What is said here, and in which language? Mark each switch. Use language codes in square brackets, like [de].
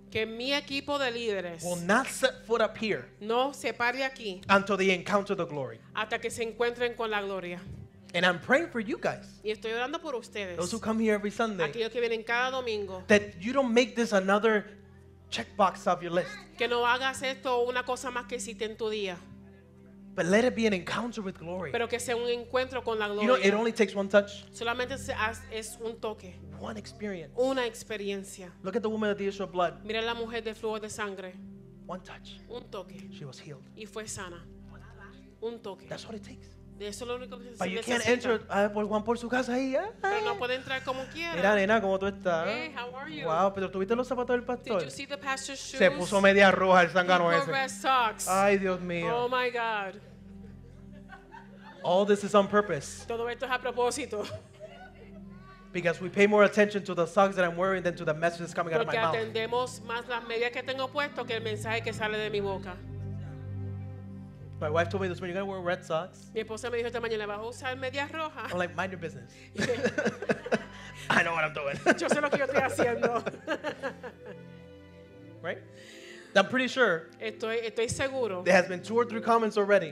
[es] que mi equipo de líderes, [en] will not set foot up here, [es] no se pare aquí, [en] until they encounter the glory. [es] Hasta que se encuentren con la gloria. [en] And I'm praying for you guys. [es] Y estoy orando por ustedes, [en] those who come here every Sunday. [es] Aquellos que vienen cada domingo, [en] that you don't make this another checkbox off your list. [es] Que no hagas esto una cosa más que existe en tu día. [en] But let it be an encounter with glory. [es] Pero que sea un encuentro con la gloria. [en] You know, it only takes one touch. [es] Solamente es un toque. [en] One experience. [es] Una experiencia. [en] Look at the woman of the issue of blood. [es] Mira la mujer de flujo de sangre. [en] One touch. [es] Un toque. [en] She was healed. [es] Y fue sana. Un toque. [en] That's what it takes. But you can't enter Juan [es] por su casa ahí. Pero no puede entrar como quiera. Mira, nena, ¿cómo tú estás? [en] Hey, how are you? [es] Wow, pero ¿tuviste los zapatos del pastor? [en] Did you see the pastor's shoes? [es] Se puso media roja el zángano ese. [en] Red socks. [es] Ay, Dios mío. [en] Oh my God. All this is on purpose. [es] Todo esto es a propósito. [en] Because we pay more attention to the socks that I'm wearing than to the message that's coming [es] porque [en] out of my mouth. [es] Porque atendemos más las medias que tengo puesto que el mensaje que sale de mi boca. [en] My wife told me this morning, you're going to wear red socks. I'm like, mind your business. I know what I'm doing. [es] Yo sé lo que yo estoy haciendo. [en] Right? I'm pretty sure. [es] Estoy seguro. [en] There has been two or three comments already.